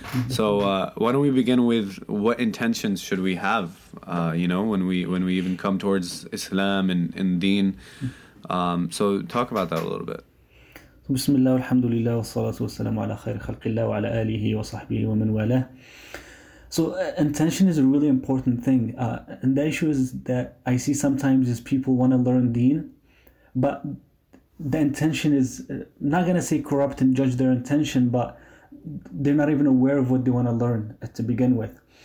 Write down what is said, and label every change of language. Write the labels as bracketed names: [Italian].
[English] So why don't we begin with what intentions should we have? You know, when we even come towards Islam and Deen. So talk about that a little bit. [Arabic] بسم الله والحمد لله والصلاة والسلام على خير خلق الله وعلى آله وصحبه ومن والاه. [English] So intention is a really important thing. And the issue is that I see sometimes is people want to learn deen, but the intention is not going to say corrupt and judge their intention, but they're not even aware of what they want to learn to begin with.